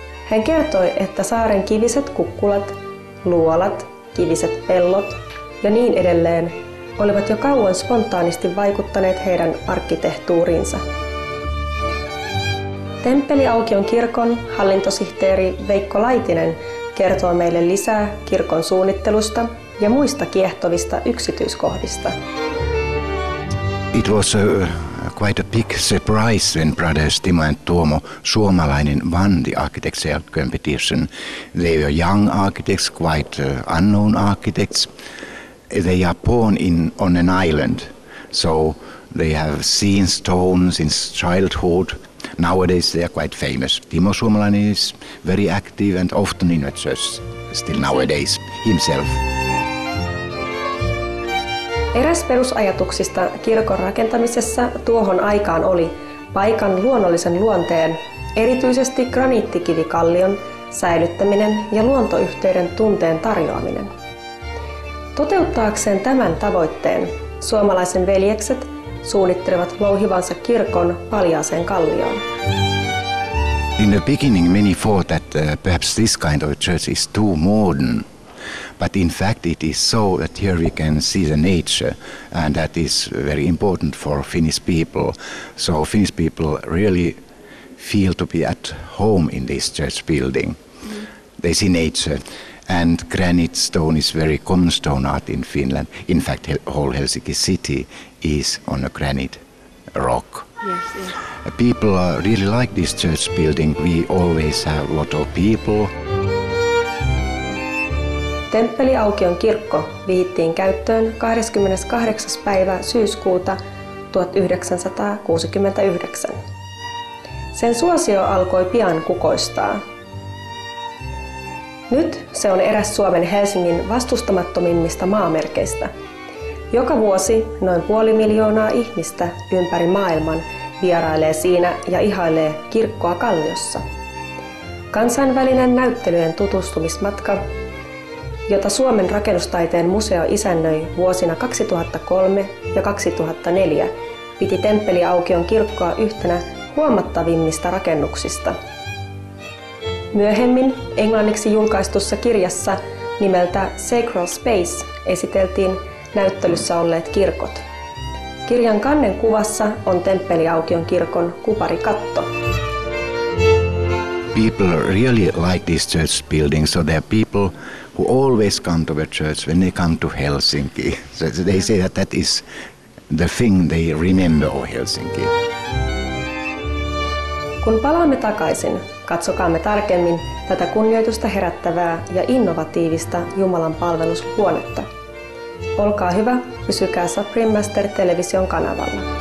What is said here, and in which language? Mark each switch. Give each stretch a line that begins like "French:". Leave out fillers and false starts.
Finnish: Hän kertoi, että saaren kiviset kukkulat, luolat, kiviset pellot ja niin edelleen olivat jo kauan spontaanisti vaikuttaneet heidän arkkitehtuuriinsa. Temppeliaukion kirkon hallintosihteeri Veikko Laitinen kertoo meille lisää kirkon suunnittelusta ja muista kiehtovista yksityiskohdista.
English: It was quite a big surprise when brothers Timo and Tuomo Suomalainen won the architectural competition. They were young architects, quite unknown architects. They are born on an island, so they have seen stone since childhood. Nowadays they are quite famous. Timo Suomalainen is very active and often in the church, still nowadays, himself.
Finnish: Eräs perusajatuksista kirkon rakentamisessa tuohon aikaan oli paikan luonnollisen luonteen, erityisesti graniittikivikallion, säilyttäminen ja luontoyhteyden tunteen tarjoaminen. Toteuttaakseen tämän tavoitteen, suomalaisen veljekset suunnittelevat louhivansa kirkon paljaaseen kallioon.
English: In the beginning many thought that perhaps this kind of church is too modern. But in fact it is so that here we can see the nature, and that is very important for Finnish people. So Finnish people really feel to be at home in this church building. They see nature, and granite stone is very common stone art in Finland. In fact, whole Helsinki city is on a granite rock. Yes. People really like this church building. We always have a lot of people.
Finnish: Temppeliaukion kirkko vihittiin käyttöön 28. päivä syyskuuta 1969. Sen suosio alkoi pian kukoistaa. Nyt se on eräs Suomen Helsingin vastustamattomimmista maamerkeistä. Joka vuosi noin 500 000 ihmistä ympäri maailman vierailee siinä ja ihailee kirkkoa kalliossa. Kansainvälinen näyttelyjen tutustumismatka, jota Suomen rakennustaiteen museo isännöi vuosina 2003 ja 2004, piti temppeliaukion kirkkoa yhtenä huomattavimmista rakennuksista. Myöhemmin englanniksi julkaistussa kirjassa nimeltä Sacral Space esiteltiin näyttelyssä olleet kirkot. Kirjan kannen kuvassa on temppeliaukion kirkon kuparikatto.
English: People really like this church building, so there are people who always come to the church when they come to Helsinki. So they say that that is the thing they remember of Helsinki.
Finnish: Kun palaamme takaisin, katsokaamme tarkemmin tätä kunnioitusta herättävää ja innovatiivista Jumalan palvelushuonetta. Olkaa hyvä, pysykää Supreme Master -television kanavalla.